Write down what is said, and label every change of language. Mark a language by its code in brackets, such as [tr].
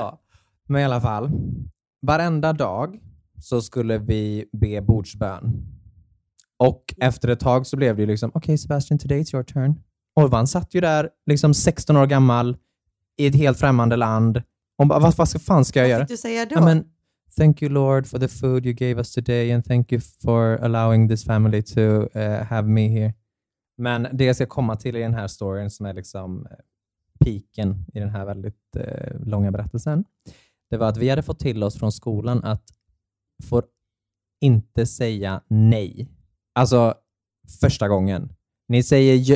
[sv] Ja, men i alla fall. Varenda dag så skulle vi be bordsbön. Och efter ett tag så blev det liksom, okej, Sebastian, [en] today it's your turn. [sv] Och han satt ju där, liksom 16 år gammal, i ett helt främmande land. Och bara, vad fan ska jag göra? Vad fick du säga då? Ja, men, [en] thank you Lord for the food you gave us today and thank you for allowing this family to have me here. [sv] Men det jag ska komma till i den här storyn som är liksom piken i den här väldigt långa berättelsen. Det var att vi hade fått till oss från skolan att få inte säga nej. Alltså första gången. Ni säger ju...